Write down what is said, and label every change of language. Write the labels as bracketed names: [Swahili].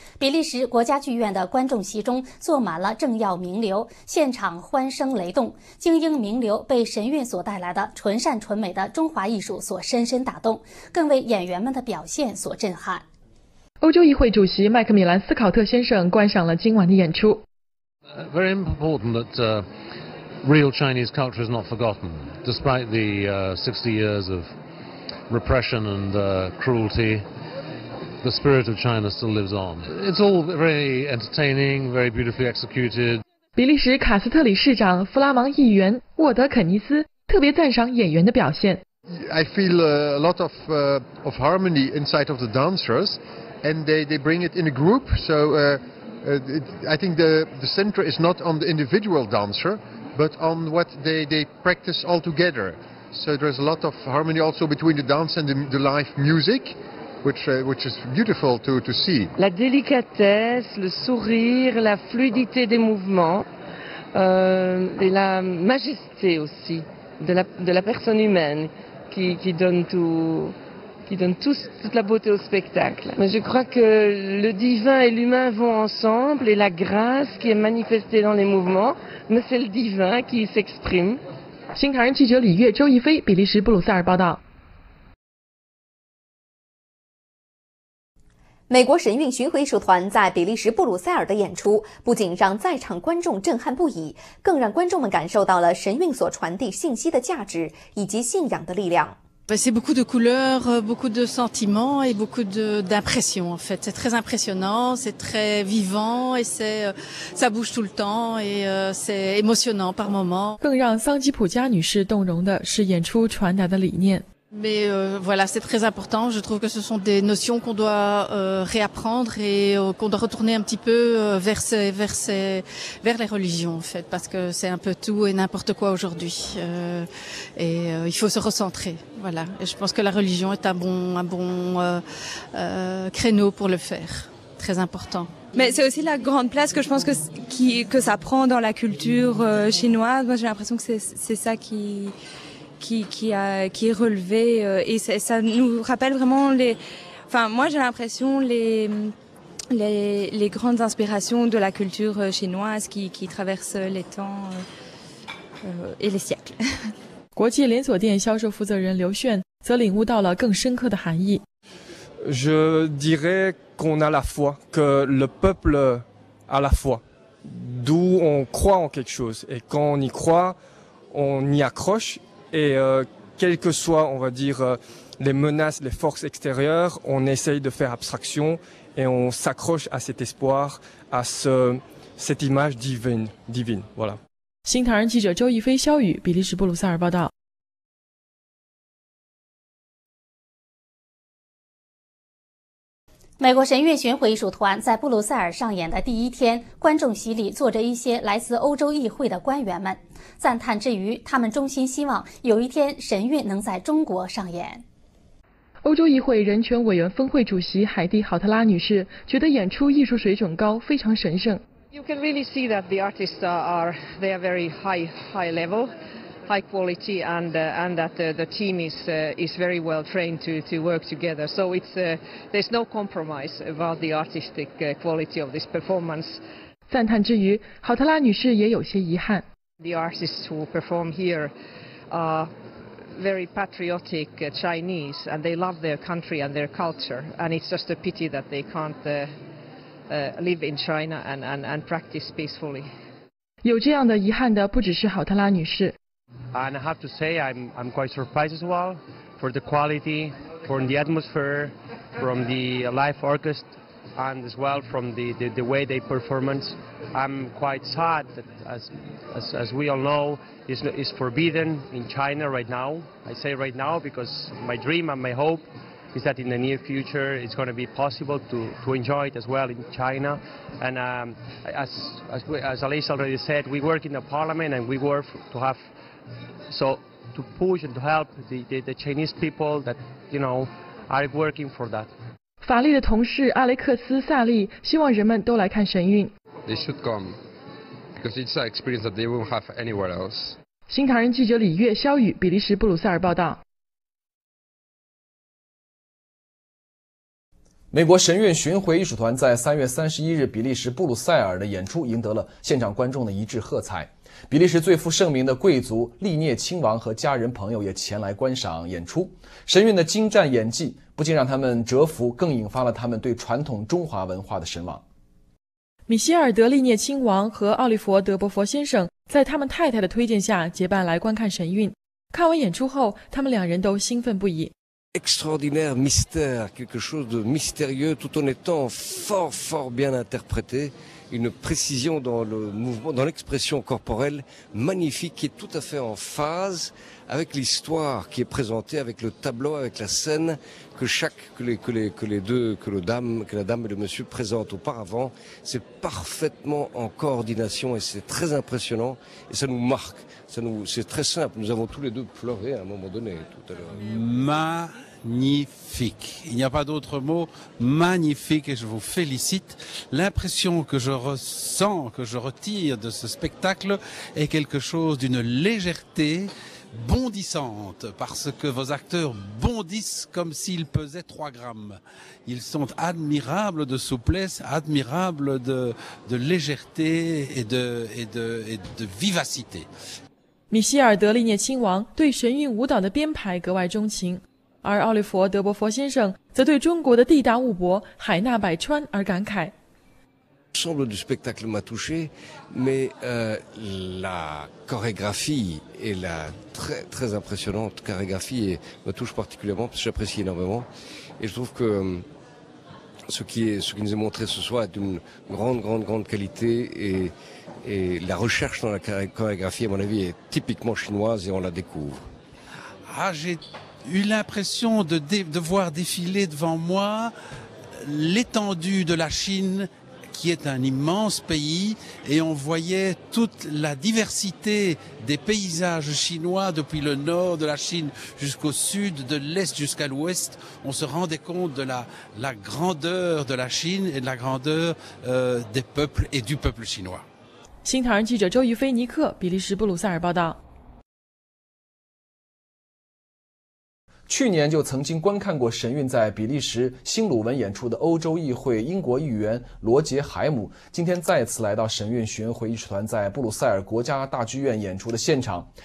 [Chinese] 比利时国家剧院的观众席中坐满了政要名流，现场欢声雷动，精英名流被神韵所带来的纯善纯美的中华艺术所深深打动，更为演员们的表现所震撼。欧洲议会主席麦克米兰斯考特先生观赏了今晚的演出。 [English] Very important that real Chinese culture is not forgotten. Despite the 60 years of repression and cruelty, the spirit of China still lives on. It's all very entertaining, very beautifully executed. [Chinese] 比利时卡斯特里市长弗拉芒议员沃德肯尼斯特别赞赏演员的表现。 [English] I feel a lot of harmony inside of the dancers, and they bring it in a group. So I think the center is not on the individual dancer. But on what they practice all together. So there's a lot of harmony also between the dance and the live music, which is beautiful to see. [French] La délicatesse, le sourire, la fluidité des mouvements, et la majesté aussi de la personne humaine qui donne toute la beauté au spectacle. Mais je crois que le divin et l'humain vont ensemble et la grâce qui est manifestée dans les mouvements, mais c'est le divin qui s'exprime. [Chinese] 新唐人记者李月、周一飞，比利时布鲁塞尔报道。美国神韵巡回艺术团在比利时布鲁塞尔的演出不仅让在场观众震撼不已，更让观众们感受到了神韵所传递信息的价值以及信仰的力量。 [French] C'est beaucoup de couleurs, beaucoup de sentiments et beaucoup d'impressions en fait. C'est très impressionnant, c'est très vivant et ça bouge tout le temps et c'est émotionnant par moments. [Chinese] 更让桑吉普加女士动容的是演出传达的理念。 [French] Mais voilà, c'est très important. Je trouve que ce sont des notions qu'on doit réapprendre et qu'on doit retourner un petit peu vers les religions, en fait, parce que c'est un peu tout et n'importe quoi aujourd'hui. Et il faut se recentrer. Voilà. Et je pense que la religion est un bon créneau pour le faire. Très important. Mais c'est aussi la grande place que je pense que ça prend dans la culture chinoise. Moi, j'ai l'impression que c'est ça qui est relevé et ça nous rappelle vraiment les grandes inspirations de la culture chinoise qui traverse les temps et les siècles. [Chinese] 国际连锁店销售负责人刘炫则领悟到了更深刻的含义。 [French] Je dirais qu'on a la foi, que le peuple a la foi, d'où on croit en quelque chose et quand on y croit, on y accrocheEt quelles que soient, on va dire, les menaces, les forces extérieures, on essaye de faire abstraction et on s'accroche à cet espoir, à cette image divine. Voilà. [Chinese] 新唐人记者周一飞、肖宇，比利时布鲁塞尔报道。美国神韵巡回艺术团在布鲁塞尔上演的第一天，观众席里坐着一些来自欧洲议会的官员们。赞叹之余，他们衷心希望有一天神韵能在中国上演。欧洲议会人权委员峰会主席海蒂·郝特拉女士觉得演出艺术水准高，非常神圣。 [English] You can really see that the artists are very high level, high quality, and that the team is very well trained to work together. So there's no compromise about the artistic quality of this performance. [Chinese] 赞叹之余，郝特拉女士也有些遗憾。 [English] The artists who perform here are very patriotic Chinese, and they love their country and their culture. And it's just a pity that they can't live in China and practice peacefully. [Chinese] 有这样的遗憾的不只是郝特拉女士。 [English] And I have to say I'm quite surprised as well for the quality, from the atmosphere, from the live orchestra. And as well from the way they performance, I'm quite sad that as we all know, is forbidden in China right now. I say right now because my dream and my hope is that in the near future it's going to be possible to enjoy it as well in China. And as Alice already said, we work in the parliament and we work to have so to push and to help the Chinese people that you know are working for that. [Chinese] 法丽的同事阿雷克斯·萨利希望人们都来看神韵。 [English] They should come because it's an experience that they won't have anywhere else. [Chinese] 新唐人记者李月、肖宇，比利时布鲁塞尔报道。美国神韵巡回艺术团在3月31日比利时布鲁塞尔的演出赢得了现场观众的一致喝彩。比利时最负盛名的贵族利涅亲王和家人朋友也前来观赏演出。神韵的精湛演技不仅让他们折服，更引发了他们对传统中华文化的神往。米歇尔·德利涅亲王和奥利弗·德伯佛先生在他们太太的推荐下结伴来观看神韵。看完演出后，他们两人都兴奋不已。 [French] Extraordinaire mystère, quelque chose de mystérieux tout en étant fort fort bien interprété, une précision dans le mouvement, dans l'expression corporelle magnifique qui est tout à fait en phase avec l'histoire qui est présentée, avec le tableau, avec la scène que la dame et le monsieur présentent auparavant. C'est parfaitement en coordination et c'est très impressionnant et ça nous marque. C'est très simple, nous avons tous les deux pleuré à un moment donné tout à l'heure. Magnifique, il n'y a pas d'autre mot, magnifique et je vous félicite. L'impression que je ressens, que je retire de ce spectacle est quelque chose d'une légèreté bondissante parce que vos acteurs bondissent comme s'ils pesaient 3 grammes. Ils sont admirables de souplesse, admirables de légèreté et de vivacité. [Chinese] 米歇尔·德利涅亲王对神韵舞蹈的编排格外钟情，而奥利弗·德伯佛先生则对中国的地大物博、海纳百川而感慨。 [French] L'ensemble du spectacle m'a touché, mais la chorégraphie et la très très impressionnante chorégraphie me touche particulièrement parce que j'apprécie énormément et je trouve que ce qui nous est montré ce soir est d'une grande grande grande qualité et. Et la recherche dans la chorégraphie, à mon avis, est typiquement chinoise et on la découvre. Ah, j'ai eu l'impression de voir défiler devant moi l'étendue de la Chine, qui est un immense pays, et on voyait toute la diversité des paysages chinois depuis le nord de la Chine jusqu'au sud, de l'est jusqu'à l'ouest. On se rendait compte de la grandeur de la Chine et de la grandeur des peuples et du peuple chinois. [Chinese] 新唐人记者周瑜菲尼克，比利时布鲁塞尔报道。去年就曾经观看过神韵在比利时新鲁文演出的欧洲议会英国议员罗杰·海姆，今天再次来到神韵巡回艺术团在布鲁塞尔国家大剧院演出的现场。